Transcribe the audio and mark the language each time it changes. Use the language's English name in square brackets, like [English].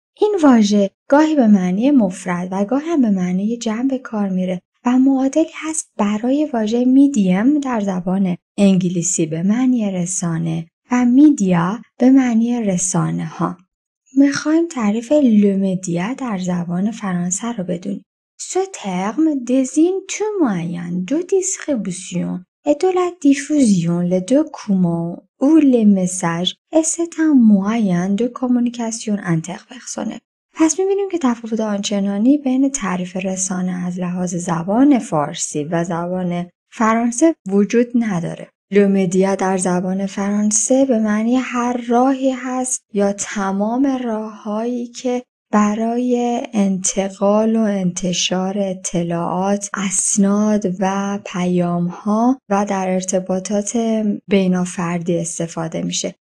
[Persian] این واژه گاهی به معنی مفرد و گاهی هم به معنی جمع به کار میره و معادلی هست برای واژه میدیم در زبان انگلیسی به معنی رسانه و میدیا به معنی رسانه ها. میخواییم تعریف لومدیا در زبان فرانسه رو بدونیم. [French] Ce terme désigne tout moyen de distribution et de la diffusion, les documents ou les messages, et c'est un moyen de communication interpersonnelle. [Persian] پس می‌بینیم که تفاوت آنچنانی بین تعریف رسانه از لحاظ زبان فارسی و زبان فرانسه وجود نداره. لو مدیا در زبان فرانسه به معنی هر راهی هست یا تمام راه‌هایی که برای انتقال و انتشار اطلاعات، اسناد و پیام‌ها و در ارتباطات بینافردی استفاده میشه.